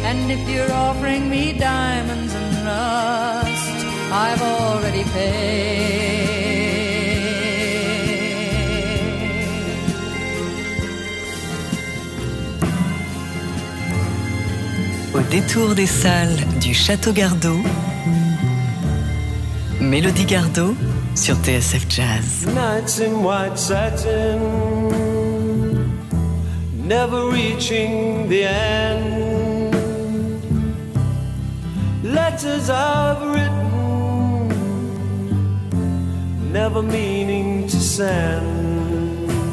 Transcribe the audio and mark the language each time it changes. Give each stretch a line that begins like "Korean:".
English: If you're offering me diamonds and rust, I've already paid.
French: Au détour des salles du Château Gardeau, Mélodie Gardeau sur TSF Jazz.
English: Nights in white satin, never reaching the end. Letters I've written, never meaning to send.